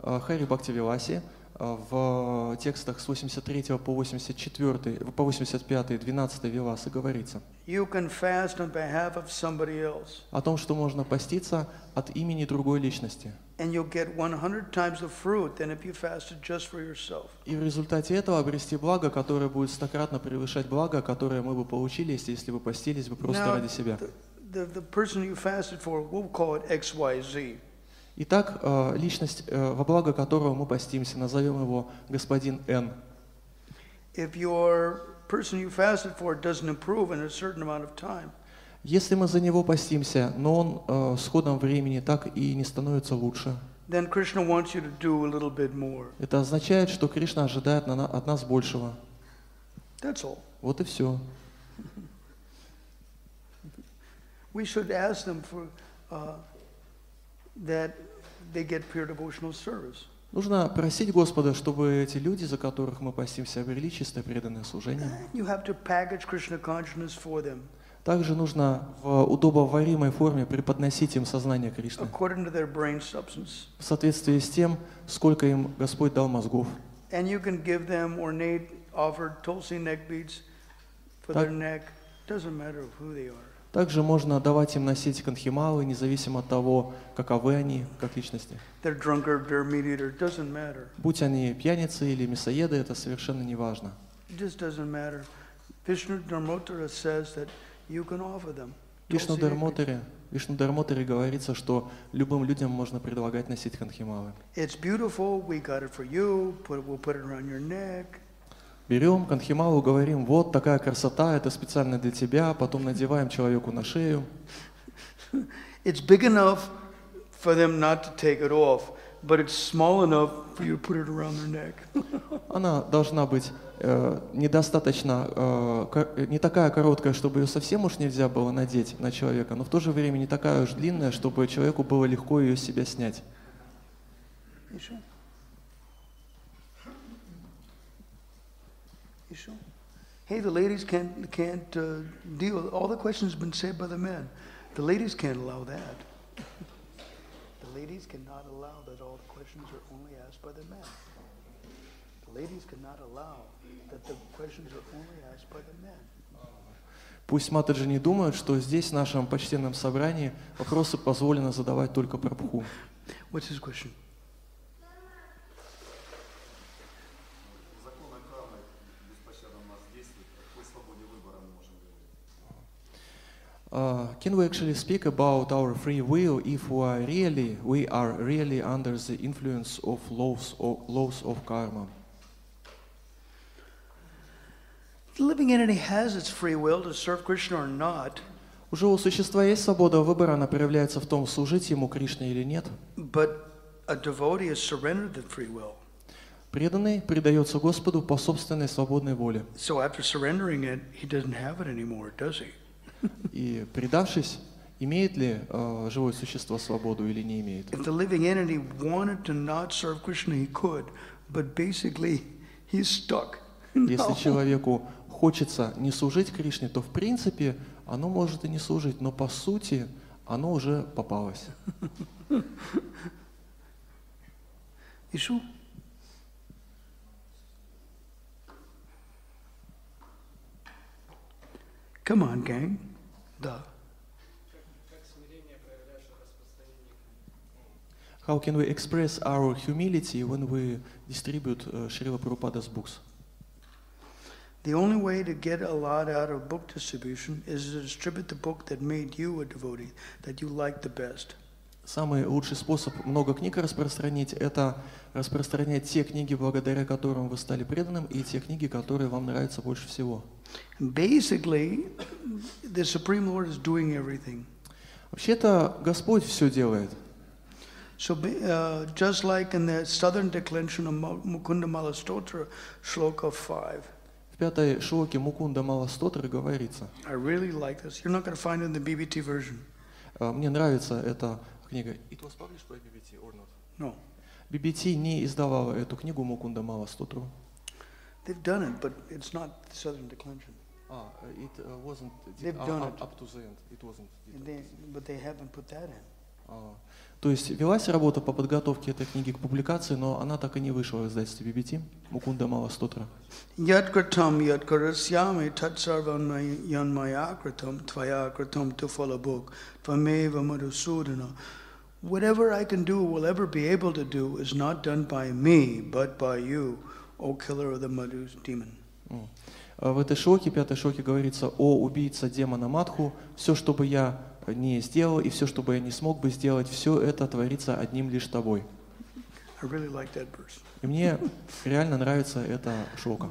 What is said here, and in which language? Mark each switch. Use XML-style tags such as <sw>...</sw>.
<ru>В Хари Бхакти Виласе в текстах с 83 по 84, по 85, 12 виласы говорится.</ru> <en>You can fast on behalf of somebody else.</en> <ru>О том, что можно поститься от имени другой личности.</ru> <en>And you'll get 100 times the fruit than if you fasted just for yourself.</en> <ru>И в результате этого обрести благо, которое будет стократно превышать благо, которое мы бы получили, если бы постились бы просто</ru> <en>Now,</en> <ru>ради себя.</ru> <en>The person you fasted for, we'll call it XYZ.</en> <ru>Итак, личность, во благо которого мы постимся, назовем его господин Н.</ru> <en>If your person you fasted for doesn't improve in a certain amount of time,</en> <ru>если мы за него постимся, но он с ходом времени так и не становится лучше,</ru> <en>then Krishna wants you to do a little bit more.</en> <ru>Это означает, что Кришна ожидает от нас большего.</ru> <en>That's all.</en> <ru>Вот и все.</ru> <en>We should ask them for that they get pure devotional service.</en> <ru>Нужно просить Господа, чтобы эти люди, за которых мы постимся, обрели чистое преданное служение.</ru> <en>You have to package Krishna consciousness for them.</en> <ru>Также нужно в удобоваримой форме преподносить им сознание Кришны.</ru> <en>According to their brain substance.</en> <ru>В соответствии с тем, сколько им Господь дал мозгов.</ru> <en>And you can give them ornate offered tulsi neck beads for their neck. Doesn't matter who they are.</en> <ru>Также можно давать им носить канхималы, независимо от того, каковы они, как личности.</ru> <en>They're drunkard, they're meat eater, doesn't matter.</en> <ru>Будь они пьяницы или мясоеды, это совершенно не важно.</ru> <en>It just doesn't matter. Vishnu Dharmottara says that you can offer them.</en> <ru>Вишну Дармотаре говорится, что любым людям можно предлагать носить канхималы.</ru> <en>It's beautiful, we got it for you, we'll put it around your neck.</en> <ru>Берем канхималу, говорим, вот такая красота, это специально для тебя, потом надеваем человеку на шею.</ru> <en>It's big enough for them not to take it off, but it's small enough for you to put it around their neck.</en> <ru>Она должна быть недостаточно, не такая короткая, чтобы ее совсем уж нельзя было надеть на человека, но в то же время не такая уж длинная, чтобы человеку было легко ее с себя снять. Еще?</ru> <en>Hey, the ladies can't deal. All the questions have been said by the men. The ladies can't allow that. The ladies cannot allow that all the questions are only asked by the men. The ladies cannot allow that the questions are only asked by the men.</en> <ru>Пусть матаджи не думают, что здесь, в нашем почтенном собрании, вопросы позволено задавать только Прабху.</ru> <en>What's his question? Can we actually speak about our free will if we are really under the influence of laws of karma? The living entity has its free will to serve Krishna or not.</en> <ru>Уже у существа есть свобода выбора, она проявляется в том, служить ему Кришне или нет.</ru> <en>But a devotee has surrendered the free will.</en> <ru>Преданный предается Господу по собственной свободной воле.</ru> <en>So after surrendering it, he doesn't have it anymore, does he?</en> <ru>И предавшись, имеет ли живое существо свободу или не имеет?</ru> <en>If the living entity wanted to not serve Krishna, he could, but basically he's stuck.</en> <ru>Если человеку хочется не служить Кришне, то в принципе оно может и не служить, но по сути оно уже попалось. Ишу?</ru> <en>Come on, gang.</en> <ru>Да.</ru> <en>How can we express our humility when we distribute Srila Prabhupada's books? The only way to get a lot out of book distribution is to distribute the book that made you a devotee, that you like the best.</en> <ru>Самый лучший способ много книг распространить – это распространять те книги, благодаря которым вы стали преданным, и те книги, которые вам нравятся больше всего.</ru> <en>Basically, the Supreme Lord is doing everything.</en> <ru>Вообще-то Господь все делает.</ru> <en>So, just like in the southern declension of Mukunda Mala Stotra, shloka 5.</en> <ru>В пятой шлоке Мукунда Мала Стотра говорится.</ru> <en>I really like this. You're not going to find it in the BBT version.</en> <ru>Мне нравится эта книга.</ru> <en>It was published by BBT or not? No.</en> <ru>BBT не издавала эту книгу Мукунда Мала Стотру.</ru> <en>They've done it, but it's not the southern declension. It wasn't up to the end. It wasn't. But they haven't put that in.</en> <ru>То есть велась работа по подготовке этой книги к публикации, но она так и не вышла в издательстве BBT. Мукунда Мала Стотра.</ru> <sa>Ядкратам ядкарасьяме татсарвам янмаякратам твоякратам туфалабук твамейва мадусудана.</sa> <en>Whatever I can do, will ever be able to do, is not done by me, but by you. O killer of the Madhu's demon.</en> <ru>В этой шлоке, пятой шлоке говорится: «О убийца демона Мадху, все, что бы я не сделал и все, что бы я не смог бы сделать, все это творится одним лишь тобой».</ru> <en>I really like that verse.</en> <ru>И мне реально нравится эта шлока.</ru>